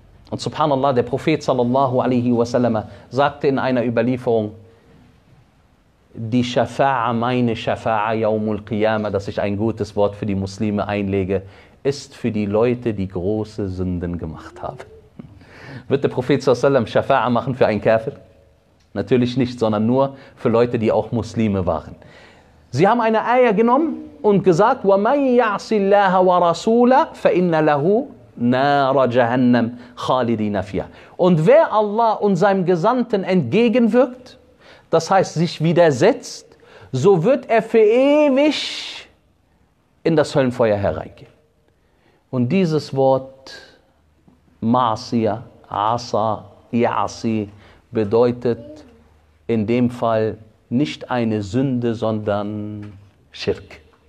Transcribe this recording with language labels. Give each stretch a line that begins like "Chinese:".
German: Und subhanallah, der Prophet sallallahu alaihi wa sallam sagte in einer Überlieferung, die Schafa'a, meine Schafa'a, yawmul qiyamah, dass ich ein gutes Wort für die Muslime einlege, ist für die Leute, die große Sünden gemacht haben. Wird der Prophet sallallahu alaihi wa sallam Schafa'a machen für einen Kafir? Natürlich nicht, sondern nur für Leute, die auch Muslime waren. Sie haben eine Ayah genommen und gesagt,
Arabic: وَمَنْ يَعْصِ اللَّهَ وَرَسُولَهُ فَإِنَّ لَهُ نَارَ جَهَنَّمْ خَالِدِينَ فِيهَا.
German: Und wer Allah und seinem Gesandten entgegenwirkt, das heißt sich widersetzt, so wird er für ewig in das Höllenfeuer hereingehen. Und dieses Wort Masiya, Asa, Yasi bedeutet in dem Fall nicht eine Sünde, sondern Schirk.